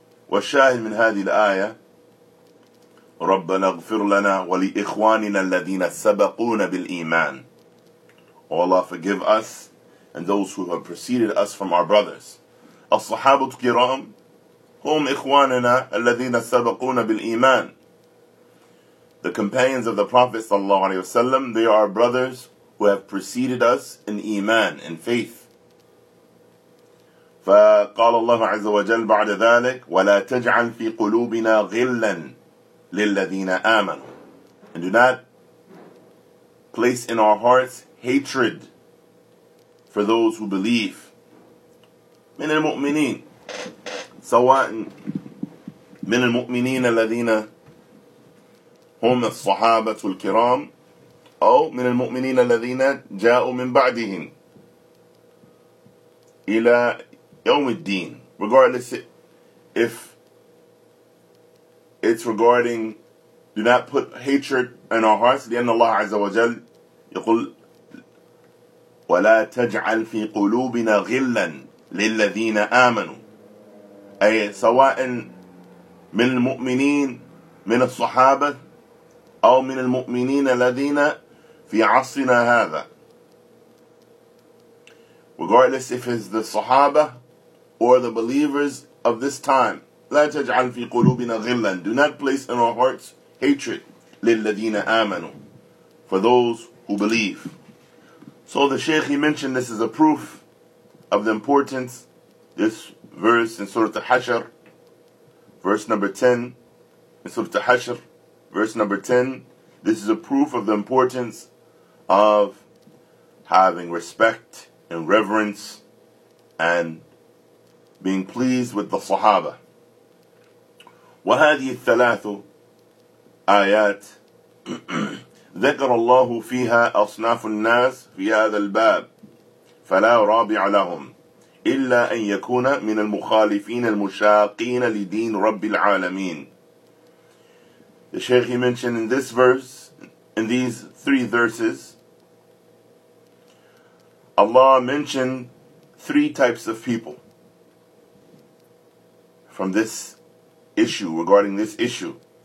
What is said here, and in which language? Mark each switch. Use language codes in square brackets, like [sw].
[ar] والشاهد من هذه الآية ربنا اغفر لنا ولإخواننا الذين سبقونا بالإيمان, [en] O Allah, forgive us and those who have preceded us from our brothers. [ar] الصحابة الكرام هم إخواننا الذين سبقونا بالإيمان, [en] the companions of the Prophet [ar] صلى الله عليه وسلم, [en] they are brothers who have preceded us in إيمان, in faith. [ar] فقال الله عز وجل بعد ذلك ولا تجعل في قلوبنا غلا للذين آمنوا, [en] and do not place in our hearts hatred for those who believe. [ar] من المؤمنين سواء من المؤمنين الذين هم الصحابة الكرام أو من المؤمنين الذين جاءوا من بعدهم إلى يوم الدين. [en] Regardless if it's regarding, do not put hatred in our hearts. [ar] لأن الله عز وجل يقول ولا تجعل في قلوبنا غلا للذين آمنوا. أي سواء من المؤمنين من الصحابة أو من المؤمنين الذين في عصرنا هذا. [en] Regardless if it's the Sahaba or the believers of this time. [ar] لا تجعل في قلوبنا غلا. [en] Do not place in our hearts hatred. [ar] للذين آمنوا. [en] For those who believe. So the Shaykh, he mentioned this is a proof of the importance. This verse in Surah Al-Hashr, verse number 10. In Surah Al-Hashr, verse number 10. This is a proof of the importance of having respect and reverence and being pleased with the Sahaba. [ar] وهذه الثلاث آيات ذكر الله فيها أصناف الناس في هذا الباب فلا رابع لهم إلا أن يكون من المخالفين المشاقين لدين رب العالمين. [en] The Shaykh, he mentioned in this verse, in these three verses, Allah mentioned three types of people from this issue, regarding this issue.